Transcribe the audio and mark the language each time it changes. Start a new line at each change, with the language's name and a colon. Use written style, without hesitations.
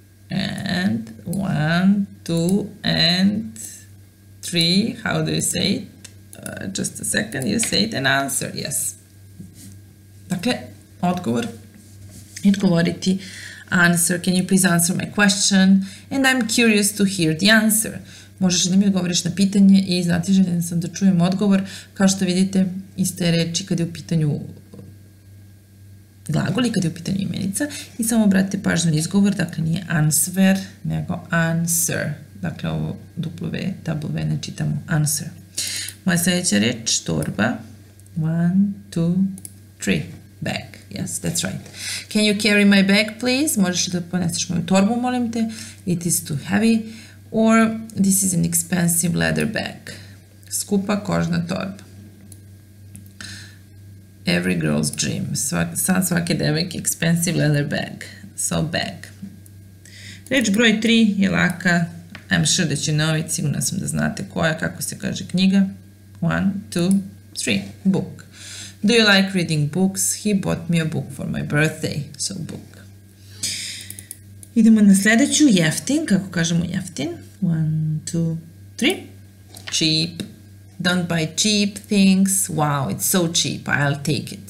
English: And, one, two, and, three, how do you say it? Just a second, you say it and answer, yes.
Serbian: Dakle, odgovor, odgovoriti.
English: Answer, can you please answer my question? And I'm curious to hear the answer.
Serbian: Možeš da mi odgovoriš na pitanje i znati željen sam da čujem odgovor. Kao što vidite, iste reči kad je u pitanju glagol i kad je u pitanju imenica. I samo obratite pažnju na izgovor, dakle nije answer, nego answer. Dakle, ovo W, W ne čitamo, answer. Moja sledeća reč, torba.
English: One, two, three, bag. Yes, that's right. Can you carry my bag, please?
Serbian: Možeš da poneseš moju torbu, molim te.
English: It is too heavy. Or, this is an expensive leather bag.
Serbian: Skupa kožna torba.
English: Every girl's dream.
Serbian: San svake devojke,
English: expensive leather bag. So, bag.
Serbian: Reč broj 3 je laka.
English: I'm sure that you know it.
Serbian: Sigurna sam da znate koja, kako se kaže knjiga.
English: One, two, three. Book. Do you like reading books? He bought me a book for my birthday. So, book.
Serbian: Idemo na sledeću. Jeftin. Kako kažemo jeftin?
English: One, two, three. Cheap. Don't buy cheap things. Wow, it's so cheap. I'll take it.